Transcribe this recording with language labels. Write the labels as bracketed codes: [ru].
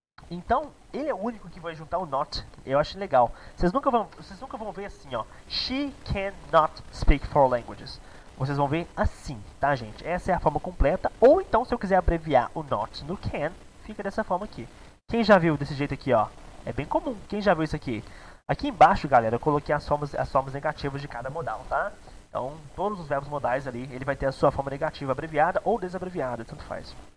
[pt] Então, ele é o único que vai juntar o not. Eu acho legal. Vocês nunca vão ver assim, ó. [en] She cannot speak four languages. [pt] Vocês vão ver assim, tá, gente? Essa é a forma completa. Ou então, se eu quiser abreviar o not no can, fica dessa forma aqui. Quem já viu desse jeito aqui, ó? É bem comum. Quem já viu isso aqui? Aqui embaixo, galera, eu coloquei as formas negativas de cada modal, tá? Então, todos os verbos modais ali, ele vai ter a sua forma negativa abreviada ou desabreviada, tanto faz.